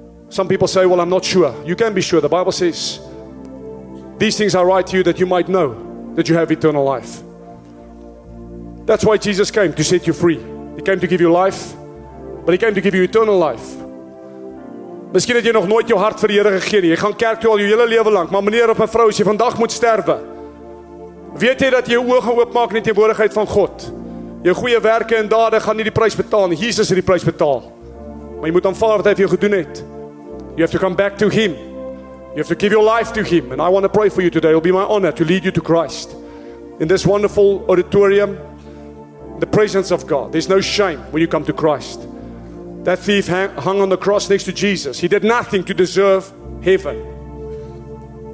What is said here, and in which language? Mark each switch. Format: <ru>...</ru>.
<en>Some people say, well, I'm not sure. You can be sure. The Bible says, these things I write to you that you might know that you have eternal life. That's why Jesus came, to set you free. He came to give you life, but He came to give you eternal life.</en> <af>Misschien het jy nog nooit jou hart vir die Here gegee nie. Jy gaan kerk toe al jou hele lewe lang, maar meneer of mevrou, as jy vandag moet sterwe, weet jy dat jy jou oë gaan oopmaak in die teenwoordigheid van God? Jou goeie werke en dade gaan nie die prys betaal nie. Jesus het die prys betaal. Maar jy moet aanvaar wat Hy vir jou gedoen het.</af> <en>You have to come back to Him. You have to give your life to Him. And I want to pray for you today. It will be my honor to lead you to Christ. In this wonderful auditorium, the presence of God. There's no shame when you come to Christ. That thief hung on the cross next to Jesus. He did nothing to deserve heaven.</en>